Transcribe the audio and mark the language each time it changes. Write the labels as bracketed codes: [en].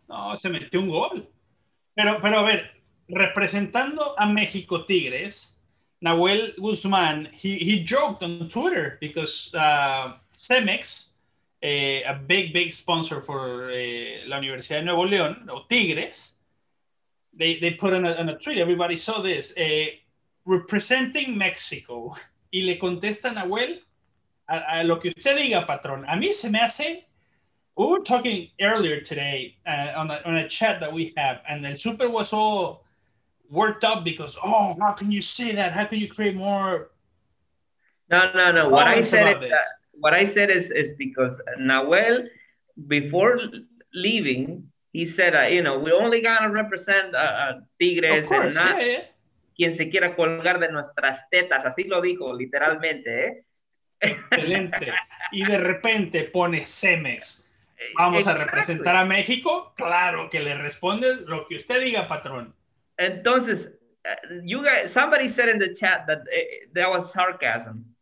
[es] No, se metió un gol. Pero a ver, representando a México Tigres, [en] Nahuel Guzmán, he joked on Twitter because Cemex, a big, big sponsor for la Universidad de Nuevo León, o Tigres, They put on a tweet, everybody saw this, representing Mexico. [es] Y le contestan a Will, a lo que usted diga, patrón. A mí se me hace, [en] we were talking earlier today on a chat that we have, and el super was all worked up because, oh, how can you say that? How can you create more? No. What I said is because Nahuel, before leaving, he said, we're only going to represent Tigres. Of course, and not yeah. [es] Quien se quiera colgar de nuestras tetas. Así lo dijo, literalmente. Excelente. Y de repente pone Cemex. Vamos a representar a México. Claro que le responde lo que usted diga, patrón. Entonces, [en] somebody said in the chat that that was sarcasm.